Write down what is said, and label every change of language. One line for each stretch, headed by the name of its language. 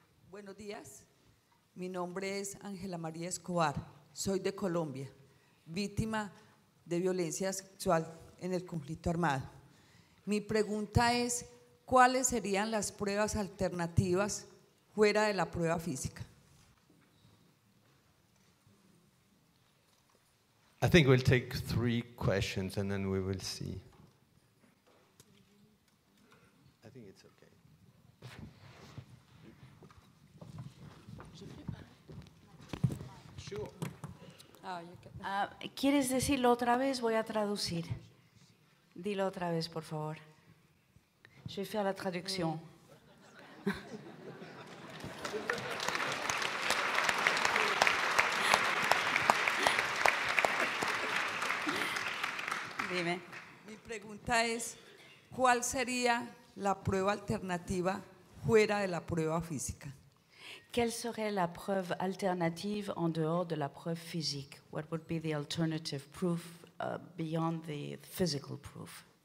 Spanish: Buenos días. Mi nombre es Ángela María Escobar. Soy de Colombia, víctima de violencia sexual en el conflicto armado. Mi pregunta es, ¿cuáles serían las pruebas alternativas fuera de la prueba física?
English: I think we'll take three questions and then we will see. I think it's okay. Sure.
Spanish: ¿Quieres decirlo otra vez? Voy a traducir. Dilo otra vez, por favor.
French: Je vais faire la traduction.
Spanish: Dime. Mi pregunta es, ¿cuál sería la prueba alternativa fuera de la prueba física?
French: Quelle serait la preuve alternative en dehors de la preuve physique?
English: What would be the alternative proof beyond the physical proof?